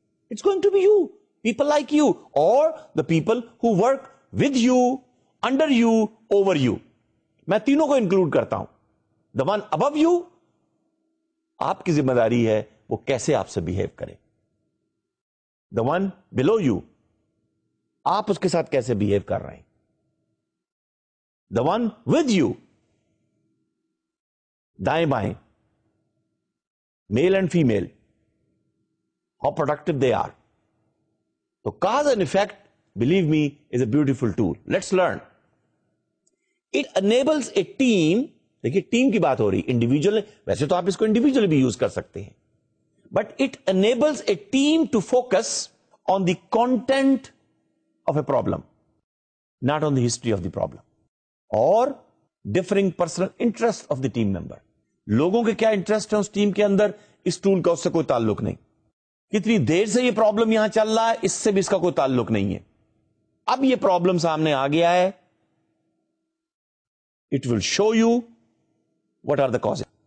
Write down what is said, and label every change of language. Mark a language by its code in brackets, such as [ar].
[en] It's going to be you, people like you, اور the people who work with you, under you, over you. [ur] میں تینوں کو include کرتا ہوں. [en] the one above you, [ur] آپ کی ذمہ داری ہے وہ کیسے آپ سے بیہیو کرے. [en] the one below you, [ur] آپ اس کے ساتھ کیسے بیہیو کر رہے ہیں. [en] the one with you, [ur] دائیں بائیں, [en] Male and female, how productive they are. تو cause and effect, believe me, is a beautiful tool. Let's learn. It enables a team, [ur] دیکھیے ٹیم کی بات ہو رہی, انڈیویجل, ویسے تو آپ اس کو انڈیویجل بھی یوز کر سکتے ہیں, [en] But it enables a team to focus on the content of a problem. not on the history of the problem or differing personal interest of the team member. [ur] لوگوں کے کیا انٹرسٹ ہیں اس team کے اندر, اس tool کا اس سے کوئی تعلق نہیں. کتنی دیر سے یہ پرابلم یہاں چل رہا ہے, اس سے بھی اس کا کوئی تعلق نہیں ہے. اب یہ پرابلم سامنے آ گیا ہے, [en] It will show you what are the cause.